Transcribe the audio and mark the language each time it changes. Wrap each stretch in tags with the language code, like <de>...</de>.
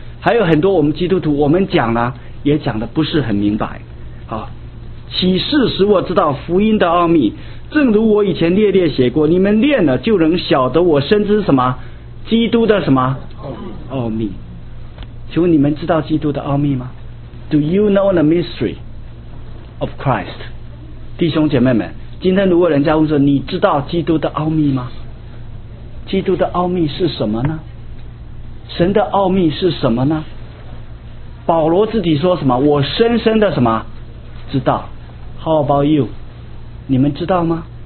<zh>还有很多我们基督徒，我们讲了也讲的不是很明白。好，启示使我知道福音的奥秘，正如我以前列列写过，你们练了就能晓得我深知什么基督的什么奥秘。请问你们知道基督的奥秘吗？</zh> <en>Do you know the mystery of Christ?</en> <zh>弟兄姐妹们，今天如果人家问说你知道基督的奥秘吗？基督的奥秘是什么呢？神的奥秘是什么呢？保罗自己说什么？我深深的什么知道。</zh> <en>How about you?</en> <zh>你们知道吗？</zh>